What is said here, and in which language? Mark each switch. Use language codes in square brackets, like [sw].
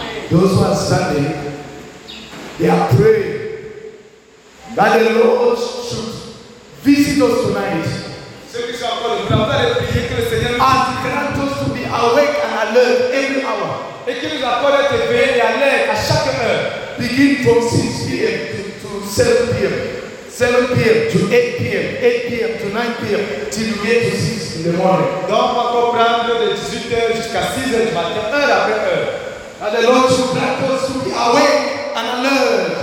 [en] Those who are standing, they are praying that the Lord should visit us tonight and grant us to be awake and alert every hour. [fr] Et qui nous accorde de veiller et alerte à chaque heure. [en] Begin from 6 p.m. to 7 p.m. 7 p.m. to 8 p.m. 8 p.m. to 9 p.m. till you get to 6 in the morning. [fr] Donc, on va comprendre de 18h jusqu'à 6h du matin, heure après heure. [en] And the Lord should grant us to be awake and alert.